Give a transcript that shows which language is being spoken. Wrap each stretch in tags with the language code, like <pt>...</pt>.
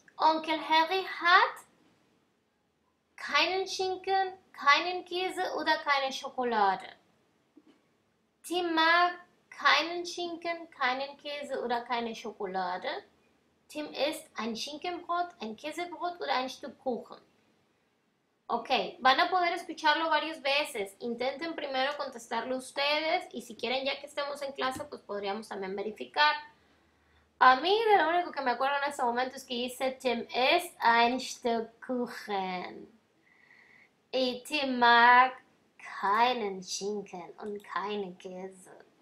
<de>Onkel Harry hat keinen Schinken, keinen Käse oder keine Schokolade. Tim mag keinen Schinken, keinen Käse oder keine Schokolade. Tim isst ein Schinkenbrot, ein Käsebrot oder ein Stück Kuchen.</de> <es>Okay, van a poder escucharlo varias veces. Intenten primero contestarlo ustedes y si quieren, ya que estemos en clase, pues podríamos también verificar. A mí, de lo único que me acuerdo en este momento es que dice</es> <de>Tim isst ein Stück Kuchen. Y Tim mag keinen Schinken und keine Käse.</de>